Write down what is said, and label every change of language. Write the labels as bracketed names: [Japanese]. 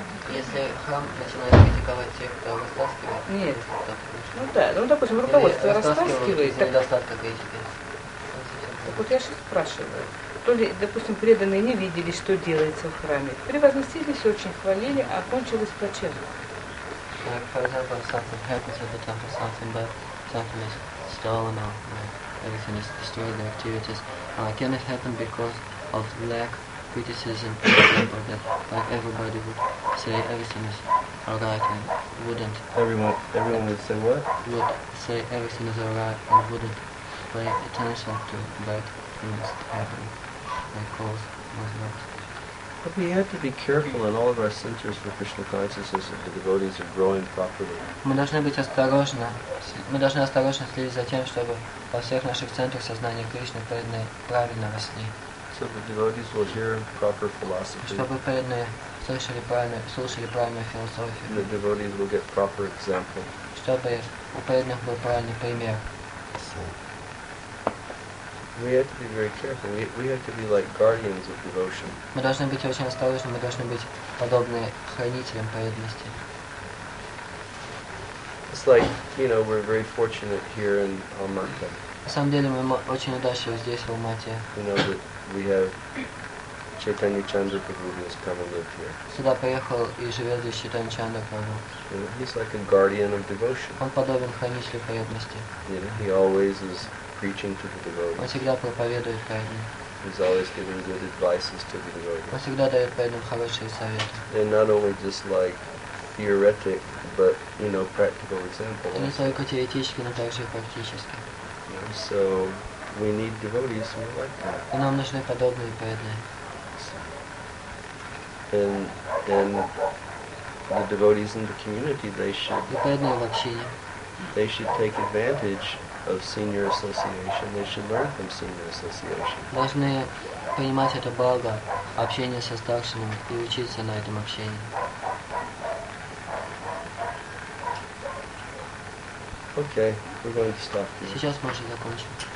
[Russian] Если храм начинает критиковать тех, кто растаскивает, нет. Ну да, допустим, руководство растаскивает. Так, недостатка критики. Так вот я сейчас спрашиваю. То ли, допустим, преданные не видели, что делается в храме. Превозносились, очень хвалили, а кончилось плачевно. [English] Like, for example, if something happens at the temple, something bad, something is stolen or everything is destroyed, the activities. Can it happen because of lack of criticism, for example, that like everybody would say everything is alright and wouldn't. Everyone would say what? Would say everything is alright and wouldn't pay attention to bad things happening, like cause problems. But we have to be careful in all of our centers for Krishna consciousness that the devotees are growing properly. [Russian] Мы должны осторожно следить за тем, чтобы во всех наших центрах сознания Кришны преданные правильно росли. [English] So the devotees will hear proper philosophy. [Russian] Чтобы преданные слушали правильную философию. [English] The devotees will get proper example. [Russian] Чтобы у преданных был правильный пример. [English] We have to be very careful. We have to be like guardians of devotion. [Russian] Мы должны быть очень осторожны. Мы должны быть подобны хранителям преданности. [English] It's like, you know, we're very fortunate here in Almaty. [Russian] На самом деле мы очень удачливы здесь, в Алмате. [English] You know that we have Chaitanya Chandraprabhu who's come and lived here. [Russian] Сюда приехал и живет здесь Чайтанья Чандраправу. [English] He's like a guardian of devotion. [Russian] Он подобен хранителю преданности. [English] You know, he always is preaching to the devotees. [Russian] Он всегда проповедует преданным. [English] He's always giving good advices to the devotees. [Russian] Он всегда дает преданным хорошие советы. [English] And not only just like theoretic, but you know, practical examples. [Russian] И не только теоретически, но также и практически. [English] So we need devotees who are like that. [Russian] И нам нужны подобные преданные. [English] and then the devotees in the community, they should take advantage of senior association. They should learn from senior association. [Russian] Должны понимать это благо общения со старшими и учиться на этом общении. [English] Okay, we're going to stop here. [Russian] Сейчас можно закончить.